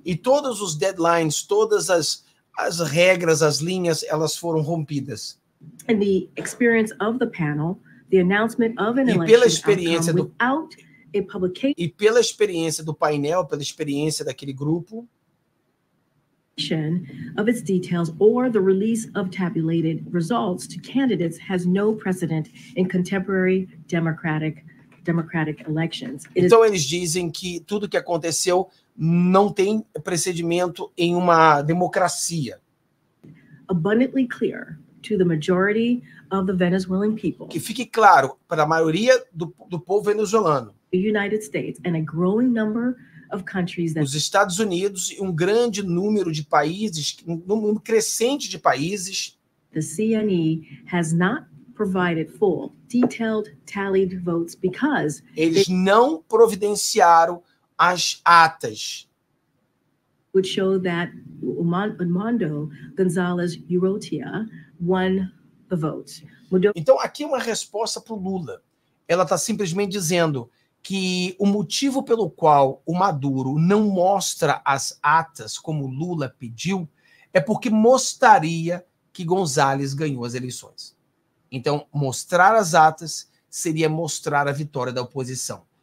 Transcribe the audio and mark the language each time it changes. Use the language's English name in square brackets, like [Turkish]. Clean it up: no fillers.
[Portuguese] E todos os deadlines, todas as regras, as linhas, elas foram rompidas. [English] And the experience of the panel, the announcement of an election without a publication. [Portuguese] E pela experiência do painel, pela experiência daquele grupo, [English] of its details or the release of tabulated results to candidates has no precedent in contemporary democratic elections. [Portuguese] Então eles dizem que tudo que aconteceu não tem precedimento em uma democracia. [English] Abundantly clear to the majority of the Venezuelan people. [Portuguese] Que fique claro para a maioria do povo venezuelano. [English] The United States and a growing number of countries that [Portuguese] os Estados Unidos e um grande número de países, um número crescente de países. [English] The CNE has not provided full, detailed, tallied votes because [Portuguese] eles não providenciaram as atas. [English] Would show that Armando Gonzalez Urrutia won the vote. [Portuguese] Então aqui uma resposta para o Lula. Ela está simplesmente dizendo que o motivo pelo qual o Maduro não mostra as atas como Lula pediu é porque mostraria que Gonzalez ganhou as eleições. Então, mostrar as atas seria mostrar a vitória da oposição.